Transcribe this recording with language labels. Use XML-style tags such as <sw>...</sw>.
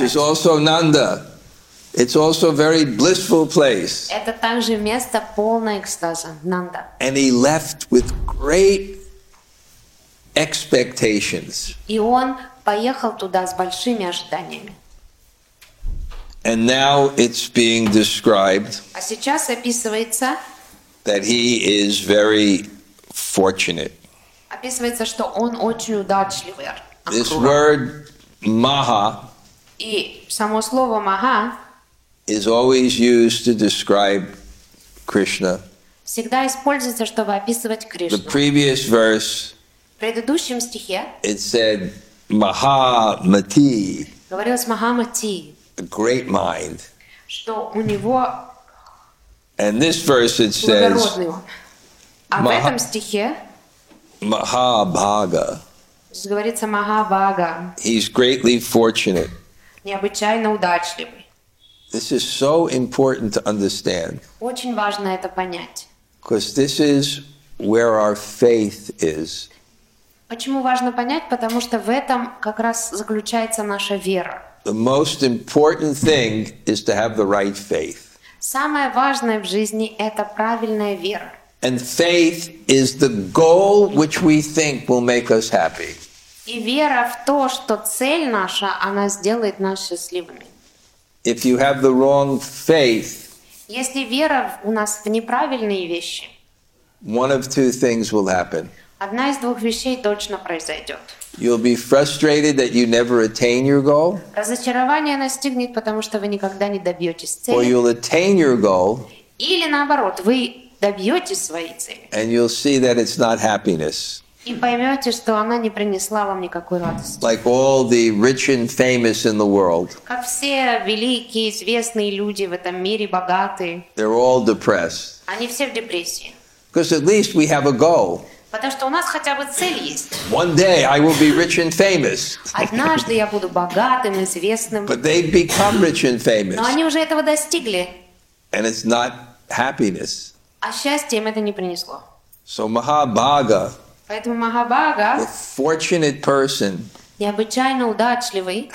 <en>Which is also Nanda. It's also a very blissful place.</en> <ru>Это также место полное экстаза, Нанда.</ru> <en>And he left with great expectations.</en> <ru>И он поехал туда с большими ожиданиями.</ru> <en>And now it's being described that he is very fortunate.</en> <ru>Описывается, что он очень удачливый.</ru> <en>This word maha,</en> <ru>и само слово maha</ru> <en>is always used to describe Krishna.</en> <ru>Всегда используется, чтобы описывать Кришну.</ru> <en>The previous verse,</en> <ru>в предыдущем стихе,</ru> <en>it said maha mati.</en> <ru>Говорилось maha mati.</ru> <en>A great mind.</en> <ru>Что у него.</ru> <en>And this verse it says.</en> <ru>Благородный. А в этом стихе. Махабхага. Говорится Махабхага.</ru> <en>He's greatly fortunate.</en> <ru>Необычайно удачливый.</ru> <en>This is so important to understand.</en> <ru>Очень важно это понять.</ru> <en>Because this is where our faith is.</en> <ru>Почему важно понять? Потому что в этом как раз заключается наша вера.</ru> <en>The most important thing is to have the right faith.</en> <ru>Самое важное в жизни это правильная вера.</ru> <en>And faith is the goal which we think will make us happy.</en> <ru>И вера в то, что цель наша, она сделает нас счастливыми.</ru> <en>If you have the wrong faith,</en> <ru>если вера у нас в неправильные вещи,</ru> <en>one of two things will happen.</en> <ru>Одна из двух вещей точно произойдет.</ru> <en>You'll be frustrated that you never attain your goal.</en> <ru>Разочарование настигнет, потому что вы никогда не добьетесь цели.</ru> <en>Or you'll attain your goal.</en> <ru>Или наоборот, вы добьетесь своей цели.</ru> <en>And you'll see that it's not happiness.</en> <ru>И поймете, что она не принесла вам никакой радости.</ru> <en>Like all the rich and famous in the world.</en> <ru>Как все великие, известные люди в этом мире, богатые.</ru> <en>They're all depressed.</en> <ru>Они все в депрессии.</ru> <en>Because at least we have a goal.</en> <ru>Потому что у нас хотя бы цель есть.</ru> <en>One day I will be rich and famous.</en> <ru>Однажды я буду богатым, известным.</ru> <en>But they've become rich and famous.</en> <ru>Но они уже этого достигли.</ru> <en>And it's not happiness.</en> <ru>А счастье им это не принесло.</ru> <en>So Mahabhaga.</en> <ru>Поэтому Махабага,</ru> <en>the fortunate person,</en> <ru>необычайно удачливый</ru>